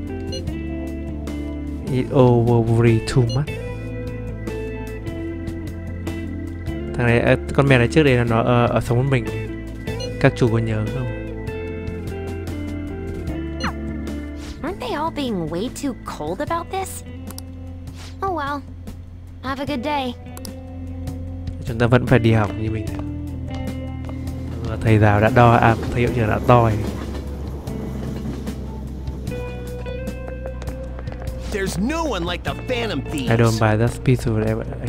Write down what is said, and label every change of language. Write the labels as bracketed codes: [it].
[en] It all worry too much. [vi] Thằng này, con mèo này trước đây là nó ở sống với mình. Các chủ có nhớ không? [en] Aren't they all being way too cold about this? Oh well. Have a good day. [vi] Chúng ta vẫn phải đi học như mình. Thầy giáo đã đo, à thầy hiệu trưởng đã toi. [en] There's no one like the Phantom Thieves. I don't buy that piece of whatever.